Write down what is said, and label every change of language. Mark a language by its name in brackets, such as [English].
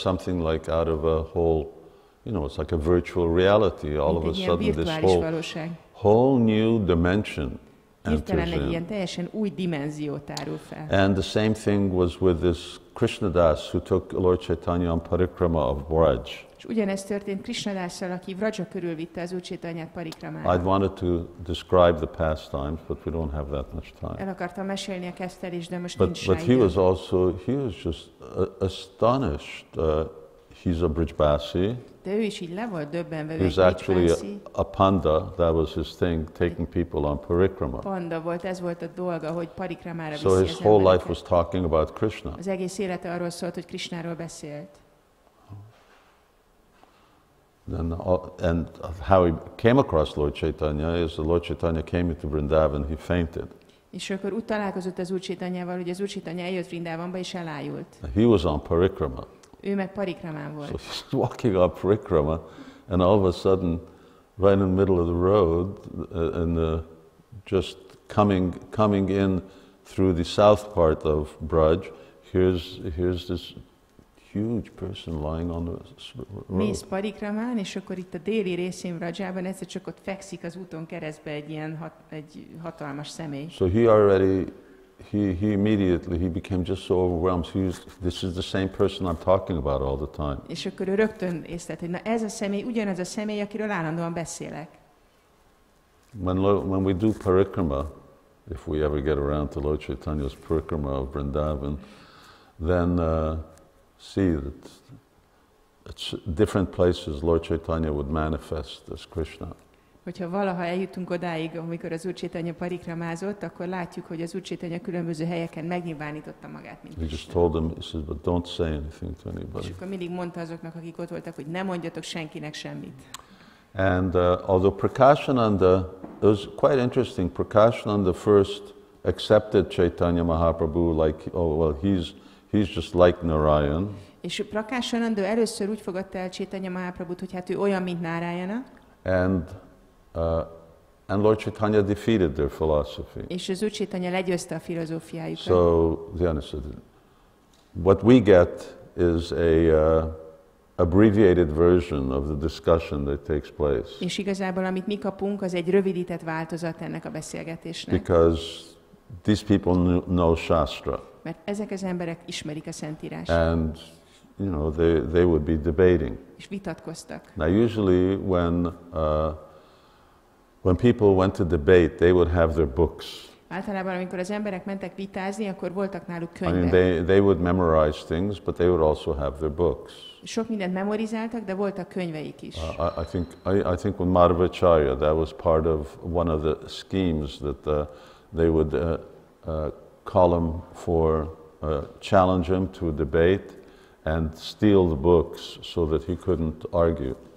[English] something like out of a whole, you know, it's like a virtuál reality. All mint of a sudden this whole new dimension. [Hungarian] Hirtelen egy ilyen teljesen új dimenziót árul fel. [English] And the same thing was with this Krishnadas who took Lord Chaitanya on parikrama of Braj. [Hungarian] És ugyanezt történt Krishnadassal, aki Vraja körül vitte az Úr Chaitanyát parikramára. [English] I'd wanted to describe the pastimes, but we don't have that much time. [Hungarian] El akartam mesélni a keszterés, de most nincs rá idő. [English] But he was also, he was just astonished. He's a Brijbasi. [Hungarian] De ő is így le volt döbbenve, [English] he's actually a panda, that was his thing, taking people on parikrama. [Hungarian] Panda volt, ez volt a dolga, hogy parikramára viszi az embereket. [English] So his whole life was talking about Krishna. [Hungarian] Az egész élete arról szólt, hogy Krishnáról beszélt. [English] Then and how he came across Lord Chaitanya is the Lord Chaitanya came into Vrindavan, he fainted. [Hungarian] És akkor úgy találkozott az Úr Chaitanyával, hogy az Úr Chaitanya eljött Vrindavanba és elájult. [English] He was on parikrama. [Hungarian] Ő meg parikramán volt. [English] So he's walking on parikrama, and all of a sudden, right in the middle of the road, and just coming in through the south part of Braj, here's this huge person lying on the road. [Hungarian] Mész parikramán, és akkor itt a déli részén Brajában ez csak ott fekszik az úton keresztbe egy ilyen egy hatalmas személy. [English] So he already. He immediately he became just so overwhelmed. This is the same person I'm talking about all the time. [Hungarian] És akkor ő rögtön észlelte, hogy na ez a személy, ugyanaz a személy, akiről állandóan beszélek. [English] When we do parikrama, if we ever get around to Lord Chaitanya's parikrama of Vrindavan, then see that it's different places Lord Chaitanya would manifest as Krishna. [Hungarian] Hogyha valaha eljutunk odáig, amikor az Úr Chaitanya parikramázott, akkor látjuk, hogy az Úr Chaitanya különböző helyeken megnyilvánította magát, mint [English] Krishna. He just told them, he says, but don't say anything to anybody. [Hungarian] És akkor mindig mondta azoknak, akik ott voltak, hogy ne mondjatok senkinek semmit. [English] And although Prakashananda, it was quite interesting, Prakashananda first accepted Chaitanya Mahaprabhu like, oh, well, he's just like Narayan. [Hungarian] És Prakashananda először úgy fogadta el Chaitanya Mahaprabhut, hogy hát ő olyan, mint Narayana. [English] And Lord Chaitanya defeated their philosophy. [Hungarian] És az Úr Chaitanya legyőzte a filozófiájukat. [English] So, the honest, what we get is a abbreviated version of the discussion that takes place. [Hungarian] És igazából amit mi kapunk, az egy rövidített változat ennek a beszélgetésnek. [English] Because these people know Shastra. [Hungarian] Mert ezek az emberek ismerik a Szentírást. [English] And you know they would be debating. [Hungarian] És vitatkoztak. [English] Now usually when people went to debate, they would have their books. [Hungarian] Általában, amikor az emberek mentek vitázni, akkor voltak náluk könyvek. [English] I mean, they would memorize things, but they would also have their books. [Hungarian] Sok mindent memorizáltak, de voltak könyveik is. [English] I think with Madhvacharya, that was part of one of the schemes that they would call him for, challenge him to a debate, and steal the books so that he couldn't argue.